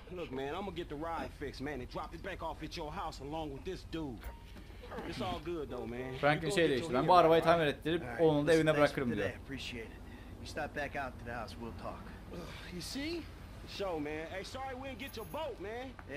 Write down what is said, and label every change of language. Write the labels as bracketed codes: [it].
[en] Look, man, I'm gonna get the ride fixed, man, and drop it back off at your house along with this dude. It's all good, though, man. [tr] Frank'in şey değişti. Ben bu arabayı tamir ettirip onu da evine bırakırım diyor. [en] Appreciate it. We stop back out to the house, we'll talk. You see? Show, man. Hey, sorry we didn't get your boat, man.